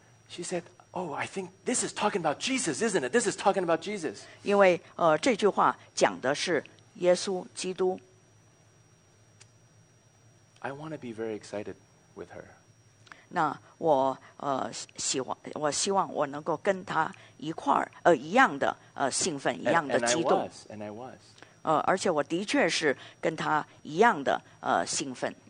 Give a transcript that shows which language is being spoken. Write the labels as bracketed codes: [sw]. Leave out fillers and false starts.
[en] She said,Oh, I think this is talking about Jesus, isn't it? This is talking about Jesus. [zh] 因为这句话讲的是耶稣基督。 [en] I want to be very excited with her. [zh] 那我希望我能够跟她一块儿一样的兴奋，一样的激动。 [en] And I was. [zh] 而且我的确是跟她一样的兴奋。